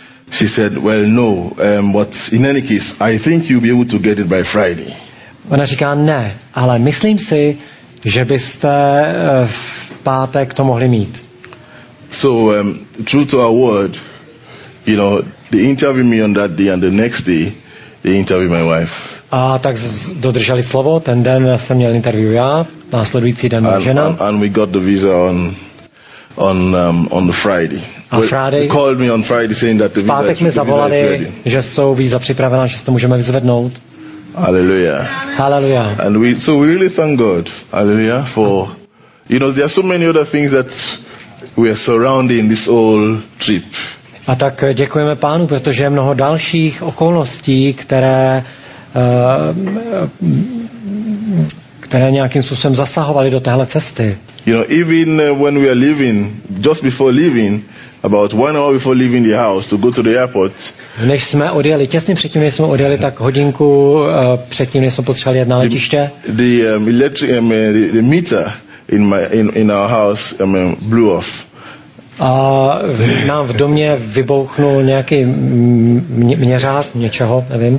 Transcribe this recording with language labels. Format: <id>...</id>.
<en>She said, well, no, but in any case, I think you'll be able to get it by Friday.</en> <cs>Ona říká, ne, ale myslím si, že byste v pátek to mohli mít.</cs> <en>So, true to our word, you know, they interviewed me on that day and the next day, they interviewed my wife.</en> <cs>A tak dodrželi slovo, ten den jsem měl interview já, následující den můj žena.</cs> <en>And we got the visa on the Friday.</en> <cs>A Friday,</cs> <en>they called me on Friday saying that the visa is ready.</en> <cs>Že jsou víza připravená, že si to můžeme vyzvednout.</cs> <en>Hallelujah. Hallelujah. And we really thank God. Hallelujah. For, you know, there are so many other things that we are surrounding this whole trip.</en> <cs>A tak děkujeme Pánu, protože je mnoho dalších okolností, které nějakým způsobem zasahovaly do téhle cesty.</cs> <en>You know, even when we are leaving, just before leaving, about 1 hour before leaving the house to go to the airport.</en> <cs>Než jsme odjeli, těsně předtím, než jsme odjeli, tak hodinku předtím, než jsme potřebovali jet na letiště.</cs> <en>The meter in our house blew off.</en> <cs>A nám v domě vybouchnul nějaký měřák něčeho, nevím.</cs>